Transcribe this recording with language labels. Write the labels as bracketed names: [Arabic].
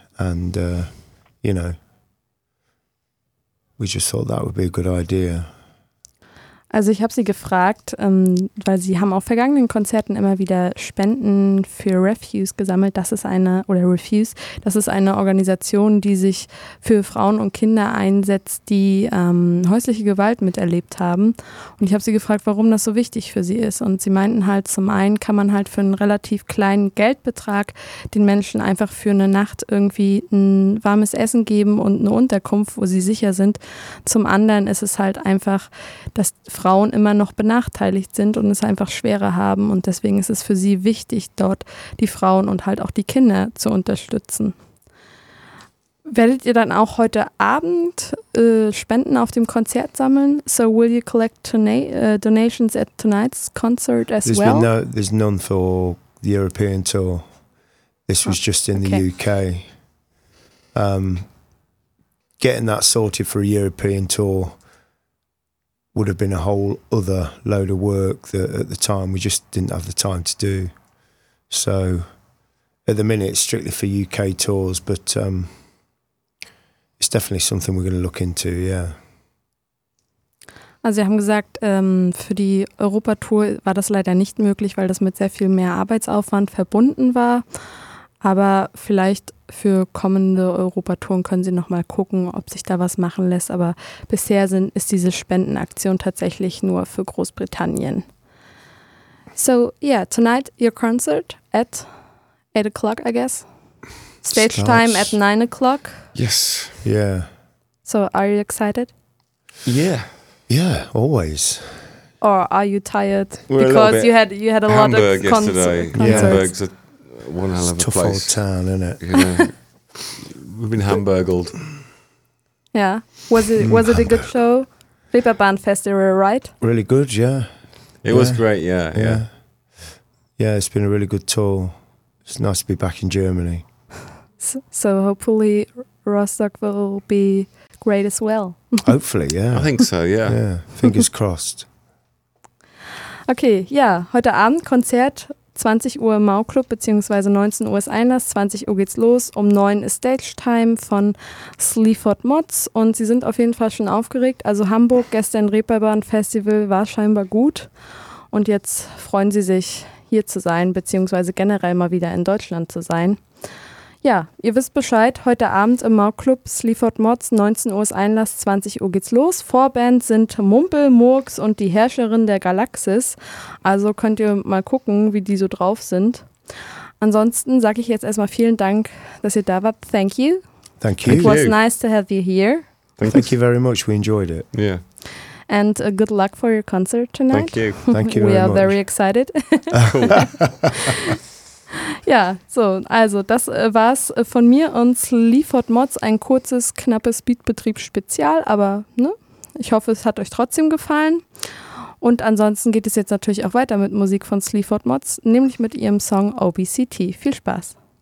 [English] And, you know, we just thought that would be a good idea. [German] Also ich habe sie gefragt, weil sie haben auf vergangenen Konzerten immer wieder Spenden für Refuse gesammelt. Das ist eine, oder Refuse, das ist eine Organisation, die sich für Frauen und Kinder einsetzt, die häusliche Gewalt miterlebt haben. Und ich habe sie gefragt, warum das so wichtig für sie ist. Und sie meinten halt, zum einen kann man halt für einen relativ kleinen Geldbetrag den Menschen einfach für eine Nacht irgendwie ein warmes Essen geben und eine Unterkunft, wo sie sicher sind. Zum anderen ist es halt einfach, dass Frauen immer noch benachteiligt sind und es einfach schwerer haben. Und deswegen ist es für sie wichtig, dort die Frauen und halt auch die Kinder zu unterstützen. Werdet ihr dann auch heute Abend Spenden auf dem Konzert sammeln? [English] So will you collect donations at tonight's concert as there's well? Been no, there's none for the European tour. This was just in the UK. Getting that sorted for a European tour would have been a whole other load of work that at the time we just didn't have the time to do. So at the minute it's strictly for UK tours, but it's definitely something we're going to look into, yeah. Also sie haben gesagt, für die Europa-Tour war das leider nicht möglich, weil das mit sehr viel mehr Arbeitsaufwand verbunden war. Aber vielleicht für kommende Europatouren können Sie nochmal gucken, ob sich da was machen lässt. Aber bisher ist diese Spendenaktion tatsächlich nur für Großbritannien. So, yeah, tonight your concert at 8 o'clock, I guess. Stage starts. Time at 9 o'clock. Yes. Yeah. So, are you excited? Yeah. Yeah, always. Or are you tired? We're because a you had a Hamburg lot of concerts. Yeah. Hamburg's a one hell of a tough place. Old town, isn't it? Yeah. We've been hamburgled. Yeah. Was it a good show? Reeperbahn Festival, right? Really good, yeah. It was great, yeah. Yeah, it's been a really good tour. It's nice to be back in Germany. So hopefully Rostock will be great as well. Hopefully, yeah. I think so, yeah. Yeah, fingers crossed. [German] Okay, ja, heute Abend Konzert, 20 Uhr im Mauclub, beziehungsweise 19 Uhr ist Einlass, 20 Uhr geht's los, um 9 ist Stage Time von Sleaford Mods und sie sind auf jeden Fall schon aufgeregt. Also Hamburg, gestern Reeperbahn Festival, war scheinbar gut und jetzt freuen sie sich, hier zu sein, beziehungsweise generell mal wieder in Deutschland zu sein. Ja, ihr wisst Bescheid, heute Abend im Mauclub Sleaford Mods, 19 Uhr ist Einlass, 20 Uhr geht's los. Vorband sind Mumpel, Murks und die Herrscherin der Galaxis. Also könnt ihr mal gucken, wie die so drauf sind. Ansonsten sage ich jetzt erstmal vielen Dank, dass ihr da wart. [English] Thank you. Thank you. It was nice to have you here. Thank you very much, we enjoyed it. Yeah. And good luck for your concert tonight. Thank you very much. We are very excited. [German] Ja, so, also das war's von mir und Sleaford Mods, ein kurzes, knappes Beatbetrieb-Spezial, aber ne, ich hoffe, es hat euch trotzdem gefallen. Und ansonsten geht es jetzt natürlich auch weiter mit Musik von Sleaford Mods, nämlich mit ihrem Song OBCT. Viel Spaß!